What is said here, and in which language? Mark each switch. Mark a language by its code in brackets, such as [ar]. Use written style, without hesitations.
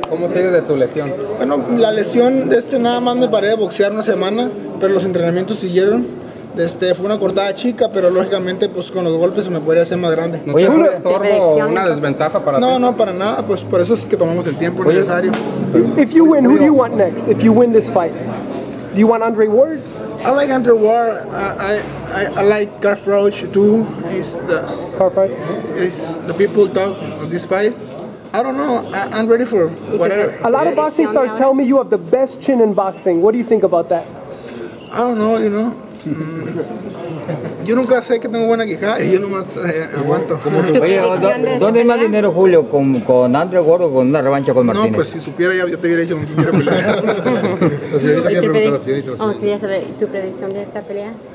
[es] ¿Cómo sigue de tu lesión? Bueno, la lesión de nada más me paré de boxear una semana, pero los entrenamientos siguieron. Fue una cortada chica, pero lógicamente pues con los golpes se me podría hacer más grande. ¿No es un estorbo o una desventaja para ti? No, para nada, pues por eso es que tomamos el tiempo necesario. [en] If you win, who do you want next? If you win this fight, do you want Andre Ward? I like Andre Ward. I like Garth Roach too. Is the people talk of this fight. I don't know. I'm ready for whatever. A lot of boxing stars tell me you have the best chin in boxing. What do you think about that? I don't know, you know. [es] Yo nunca sé que tengo buena quijada y yo nomás aguanto. Oye, ¿dónde hay más dinero, Julio? ¿Con Andre Ward o con una revancha con Martínez? No, pues si supiera ya te hubiera dicho con quién quiero pelear. Quería saber tu predicción de esta pelea.